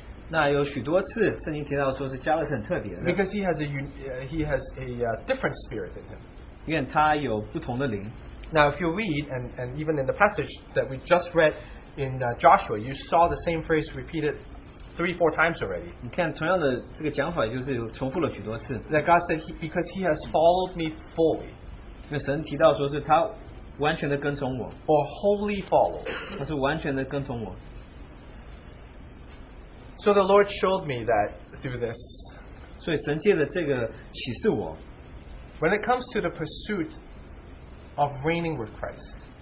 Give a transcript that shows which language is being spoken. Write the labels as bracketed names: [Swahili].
[Chinese] 那有许多次圣经提到说是加勒是很特别的。 [English] Because he has a different spirit in him. [Chinese] 因为他有不同的灵。 [English] Now if you read and even in the passage that we just read in Joshua, you saw the same phrase repeated 3-4 times already. [Chinese] 你看同样的这个讲法就是重复了许多次。 [English] That God said because he has followed me fully. [Chinese] 因为神提到说是他完全的跟从我， [English] or wholly follow， [Chinese] 他是完全的跟从我。 [English] So the Lord showed me that through this， [Chinese] 所以神借着这个启示我。 [English] When it comes to the pursuit of reigning with Christ，